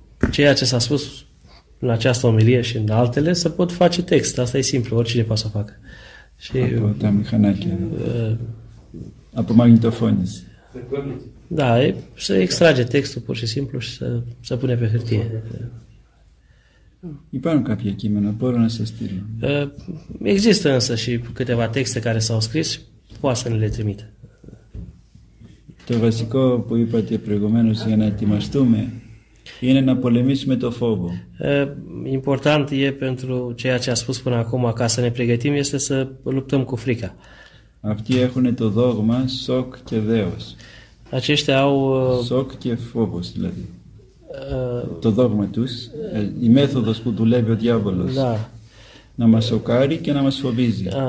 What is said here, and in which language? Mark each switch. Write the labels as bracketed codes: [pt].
[ro] Ceea ce s-a spus în această ομιλία și în altele, se pot face text, asta e simplu, oricine poate să facă. [el] Și, από τα μηχανάκια, από μαγνητοφόνηση. [ro] Da, se extrage textul pur și simplu și se pune pe hârtie. [el] Υπάρχουν κάποια κείμενα, μπορώ να σας στείλω. [ro] Există însă și câteva texte care s-au scris, poate să ne le trimite. [el] Το βασικό που είπατε προηγουμένως για να ετοιμαστούμε είναι να πολεμήσουμε το φόβο. [ro] Important e pentru ceea ce a spus până acum ca să ne pregătim este să luptăm cu frica. [el] Αυτοί έχουν το δόγμα σοκ και δέος. [ro] Aceștia au [el] σοκ και φόβος, δηλαδή. Το δόγμα τους, η μέθοδος που δουλεύει ο διάβολος. [ro] Da. [el] Να μας σοκάρει και να μας φοβίζει.